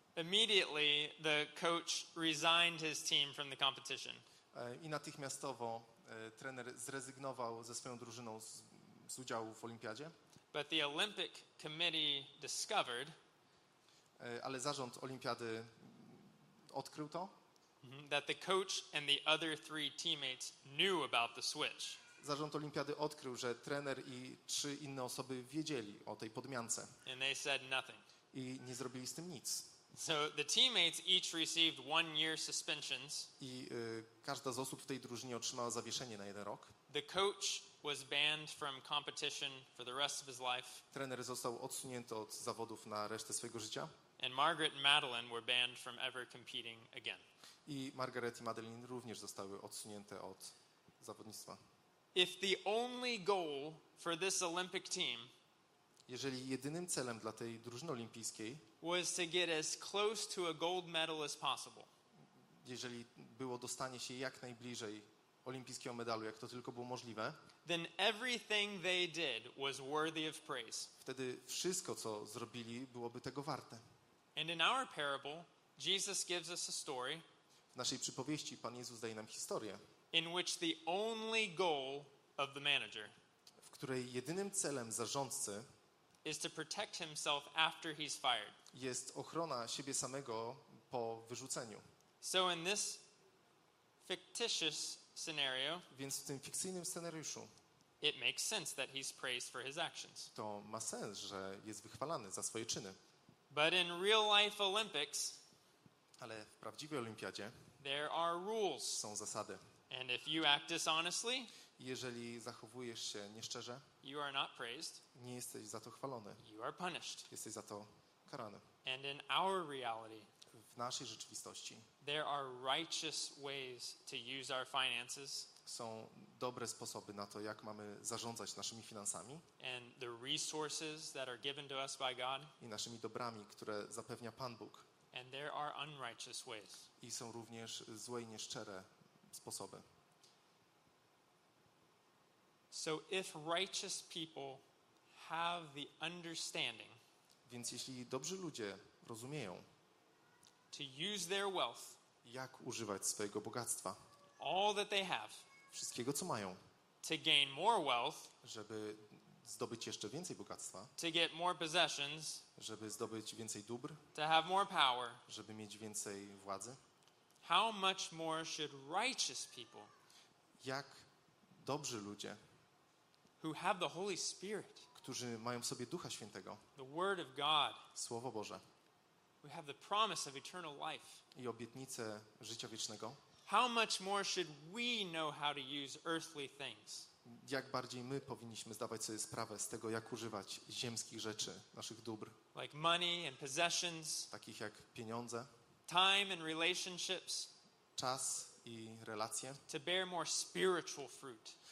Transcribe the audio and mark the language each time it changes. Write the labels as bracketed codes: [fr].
[en] Immediately the coach resigned his team from the competition. [pl] I natychmiastowo trener zrezygnował ze swoją drużyną z udziału w olimpiadzie. [en] But the Olympic committee discovered, [pl] ale zarząd olimpiady odkrył to, [en] that the coach and the other three teammates knew about the switch. [pl] Zarząd olimpiady odkrył, że trener i trzy inne osoby wiedzieli o tej podmiance. [en] And they said nothing. [pl] I nie zrobili z tym nic. [en] So the teammates each received 1 year suspensions. [pl] I każda z osób w tej drużynie otrzymała zawieszenie na jeden rok. [en] The coach was banned from competition for the rest of his life. [pl] Trener został odsunięty od zawodów na resztę swojego życia. [en] And Margaret and Madeleine were banned from ever competing again. [pl] I Margaret i Madeleine również zostały odsunięte od zawodnictwa. [en] If the only goal for this Olympic team, [pl] jeżeli jedynym celem dla tej drużyny olimpijskiej, [en] was to get as close to a gold medal as possible, [pl] jeżeli było dostanie się jak najbliżej olimpijskiego medalu, jak to tylko było możliwe, [en] then everything they did was worthy of praise. [pl] Wtedy wszystko, co zrobili, byłoby tego warte. [en] And in our parable, Jesus gives us a story, [pl] w naszej przypowieści Pan Jezus daje nam historię, [en] in which the only goal of the manager, [pl] w której jedynym celem zarządcy, [en] is to protect himself after he's fired. [pl] Jest ochrona siebie samego po wyrzuceniu. [en] So in this fictitious scenario, [pl] więc w tym fikcyjnym scenariuszu, [en] it makes sense that he's praised for his actions. [pl] To ma sens, że jest wychwalany za swoje czyny. [en] But in real life Olympics, [pl] ale w prawdziwej olimpiadzie, [en] there are rules. [pl] Są zasady. [en] And if you act dishonestly, [pl] jeżeli zachowujesz się nieszczerze, [en] you are not praised. [pl] Nie jesteś za to chwalony. [en] You are punished. [pl] Jesteś za to karany. [en] And in our reality, [pl] w naszej rzeczywistości, [en] there are righteous ways to use our finances. [pl] są dobre sposoby na to, jak mamy zarządzać naszymi finansami [en] and the resources that are given to us by God. [pl] I naszymi dobrami, które zapewnia Pan Bóg. [en] And there are unrighteous ways. [pl] I są również złe i nieszczere sposoby. [en] So if righteous people have the understanding, [pl] więc jeśli dobrzy ludzie rozumieją, [en] to use their wealth, [pl] jak używać swojego bogactwa, [en] all that they have, [pl] wszystkiego co mają, [en] to gain more wealth, [pl] żeby zdobyć jeszcze więcej bogactwa, [en] to get more possessions, [pl] żeby zdobyć więcej dóbr, [en] to have more power, [pl] żeby mieć więcej władzy, [en] how much more should righteous people, [pl] jak dobrzy ludzie, [en] who have the Holy Spirit, [pl] którzy mają w sobie Ducha Świętego, [en] the Word of God, [pl] Słowo Boże, [en] we have the promise of eternal life, [pl] i obietnicę życia wiecznego, [en] how much more should we know how to use earthly things? [pl] Jak bardziej my powinniśmy zdawać sobie sprawę z tego, jak używać ziemskich rzeczy, naszych dóbr, [en] like money and possessions, [pl] takich jak pieniądze, [en] time and relationships, [pl] czas i relacje, [en] to bear more spiritual fruit,